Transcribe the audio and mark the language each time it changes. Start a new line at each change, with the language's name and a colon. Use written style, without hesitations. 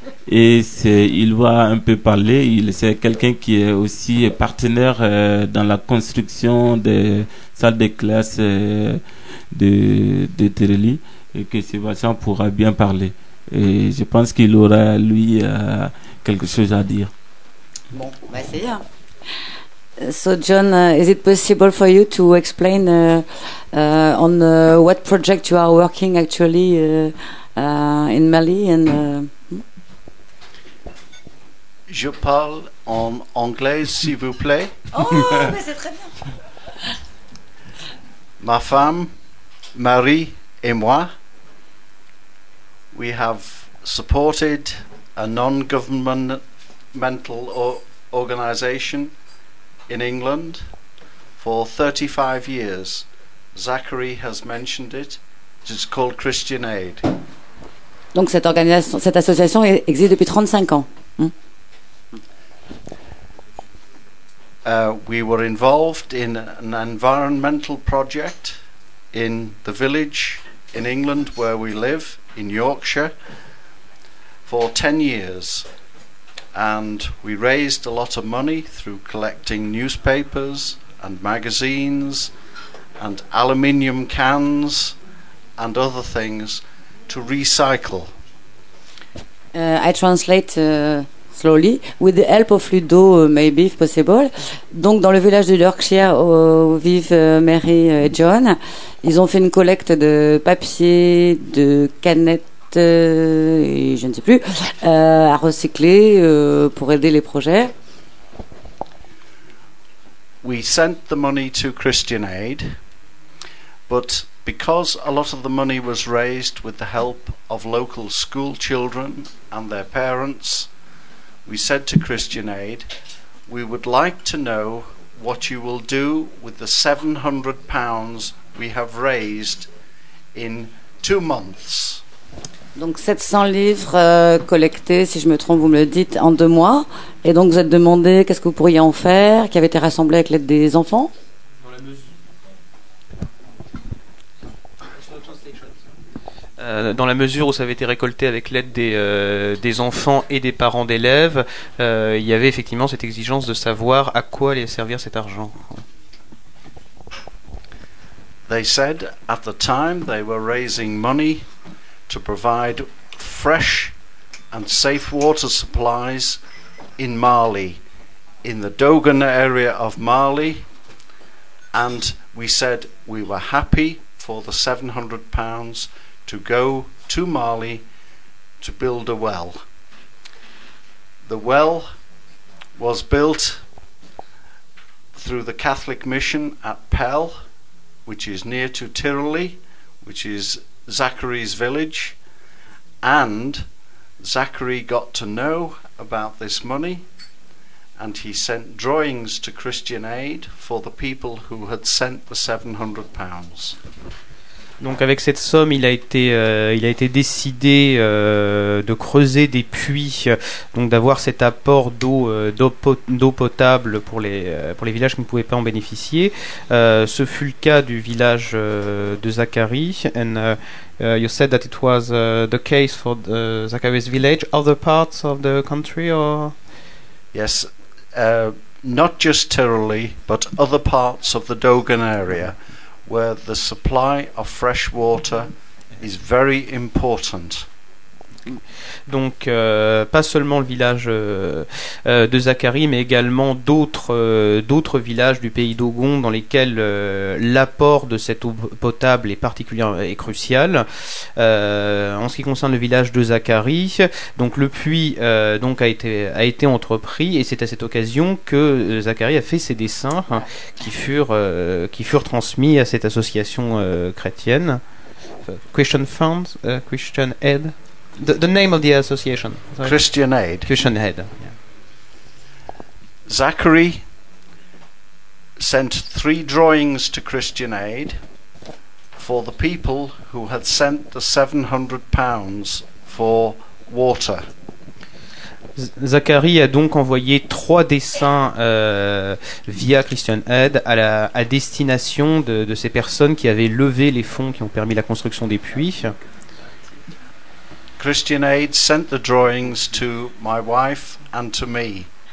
French: Et c'est, il va un peu parler. Il, c'est quelqu'un qui est aussi partenaire dans la construction des salles de classe de Tereli. Et que Sébastien pourra bien parler. Et je pense qu'il aura, lui, quelque chose à dire. Bon, on va essayer.
English: So John, is it possible for you to explain on what project you are working actually in Mali? And
French: je parle en anglais, s'il vous plaît. Oh, mais c'est très bien. Ma femme, Marie et moi,
English: we have supported a non-governmental organization in England for 35 years. Zachary has mentioned it. It's called Christian Aid.
French: Donc cette organisation, cette association existe depuis 35 ans.
English: We were involved in an environmental project in the village in England where we live, in Yorkshire, for 10 years. And we raised a lot of money through collecting newspapers and magazines and aluminium cans and other things to recycle. I translate slowly, with the help of Ludo, maybe, if possible.
French: Donc, dans le village de Yorkshire où vivent Mary et John, ils ont fait une collecte de papier, de canettes, et je ne sais plus à recycler pour aider les projets.
English: We sent the money to Christian Aid, but because a lot of the money was raised with the help of local school children and their parents, we said to Christian Aid, we would like to know what you will do with the £700 we have raised in 2 months.
French: Donc 700 livres collectés, si je me trompe, vous me le dites, en 2 mois. Et donc vous êtes demandé qu'est-ce que vous pourriez en faire, qui avait été rassemblé avec l'aide des enfants. Dans la mesure où ça avait été récolté avec l'aide des enfants et des parents d'élèves, il y avait effectivement cette exigence de savoir à quoi allait servir cet argent.
English: They said at the time they were raising money to provide fresh and safe water supplies in Mali, in the Dogon area of Mali, and we said we were happy for the £700 to go to Mali to build a well. The well was built through the Catholic mission at Pell, which is near to Tiroli, which is Zachary's village, and Zachary got to know about this money, and he sent drawings to Christian Aid for the people who had sent the £700.
French: Donc avec cette somme, il a été décidé de creuser des puits, donc d'avoir cet apport d'eau potable pour les villages qui ne pouvaient pas en bénéficier. Ce fut le cas du village de Zachary.
English: And you said that it was the case for Zachary's village. Other parts of the country, or yes, not just Tiroli, but other parts of the Dogon area, where the supply of fresh water is very important.
French: Donc, pas seulement le village de Zachary, mais également d'autres villages du pays Dogon dans lesquels l'apport de cette eau potable est particulièrement et crucial. En ce qui concerne le village de Zachary, donc le puits a été entrepris, et c'est à cette occasion que Zachary a fait ses dessins qui furent transmis à cette association chrétienne.
English: Christian Fund, Christian Aid. The name of the association. Sorry. Christian Aid. Christian Aid. Yeah. Zachary sent 3 drawings to Christian Aid for the people who had sent the £700 for water.
French: Zachary a donc envoyé 3 dessins via Christian Aid à destination de ces personnes qui avaient levé les fonds qui ont permis la construction des puits.
English: Christian Aid sent the drawings to my wife and to me.